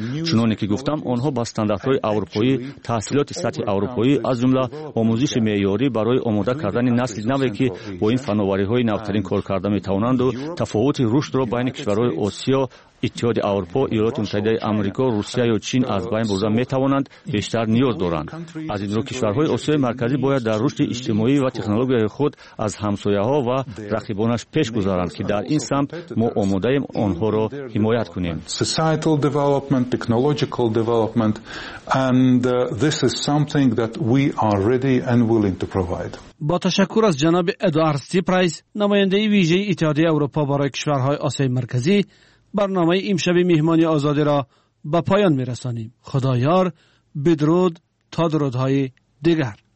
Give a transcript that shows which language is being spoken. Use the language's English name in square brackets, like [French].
[Persian] چنانی که گفتم آنها با استانداردهای اروپایی، تحصیلات سطح اروپایی از جمله آموزش معیاری برای آماده کردن نسل نوی که با این فناوری‌های نوترین کار کرده میتوانند و تفاوت رشد را بین کشورهای آسیا، اتحاد اروپا، ایالات متحده آمریکا، روسیه یا چین از بین برده میتوانند بیشتر نیاز دارند. از این رو کشورهای آسیای مرکزی باید در رشد اجتماعی و تکنولوژی خود از همسایه‌ها و رقیبانش پیش گذارند که در این سمت ما آماده ایم آنها را حمایت کنیم. [English] Societal development, technological development, and this is something that we are ready and willing to provide. [Persian] با تشکر از جناب ادوارد سیپرایس، نماینده ویژه اتحاد اروپا برای کشورهای آسیای مرکزی، برنامه امشب مهمانی آزادی را به پایان می رسانیم. خدا یار، بدرود تا درودهای دیگر.